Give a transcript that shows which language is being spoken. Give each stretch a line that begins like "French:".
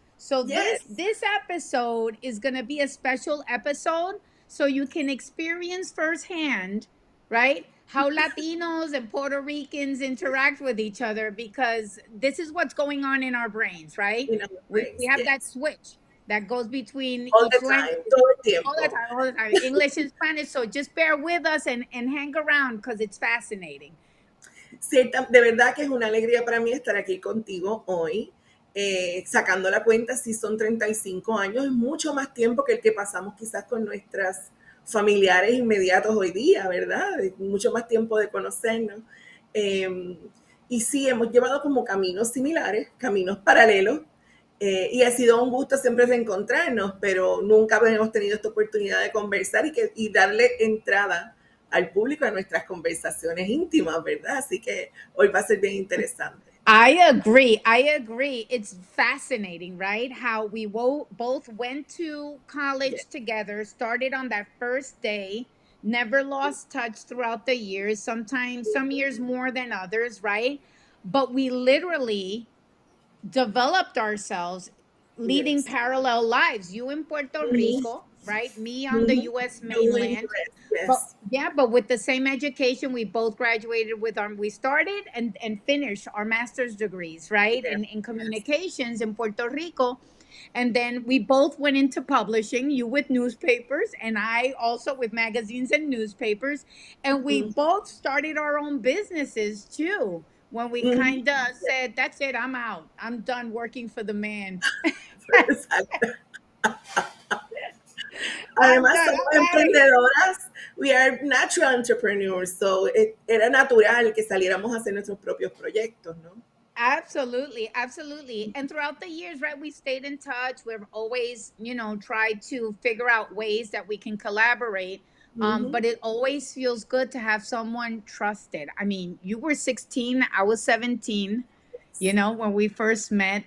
English: So this episode is going to be a special episode so you can experience firsthand, right, how Latinos and Puerto Ricans interact with each other, because this is what's going on in our brains, right? We have that switch that goes between all the time, English and Spanish. So just bear with us and hang around, because it's fascinating.
Spanish: Cierta, de verdad que es una alegría para mí estar aquí contigo hoy. Sacando la cuenta, si son 35 años, es mucho más tiempo que el que pasamos quizás con nuestras familiares inmediatos hoy día, ¿verdad? Mucho más tiempo de conocernos. Y sí, hemos llevado como caminos similares, caminos paralelos. Y ha sido un gusto siempre reencontrarnos, pero nunca hemos tenido esta oportunidad de conversar y darle entrada al público a nuestras conversaciones íntimas, ¿verdad? Así que hoy va a ser bien interesante.
English: I agree. It's fascinating, right? How we both went to college together, started on that first day, never lost touch throughout the years, sometimes some years more than others, right? But we literally developed ourselves leading parallel lives. You in Puerto Rico, right? Me on the U.S. mainland. But with the same education, we both graduated with our, we started and finished our master's degrees, right? In communications in Puerto Rico. And then we both went into publishing, you with newspapers and I also with magazines and newspapers. And we both started our own businesses too. When we kind of said, that's it, I'm out. I'm done working for the man.
Spanish: Además, somos emprendedoras.
English: We are natural entrepreneurs.
Spanish: So era natural que saliéramos a hacer nuestros propios proyectos, ¿no?
English: Absolutely, absolutely. And throughout the years, right, we stayed in touch. We've always, you know, tried to figure out ways that we can collaborate. But it always feels good to have someone trusted. I mean, you were 16, I was 17, you know, when we first met.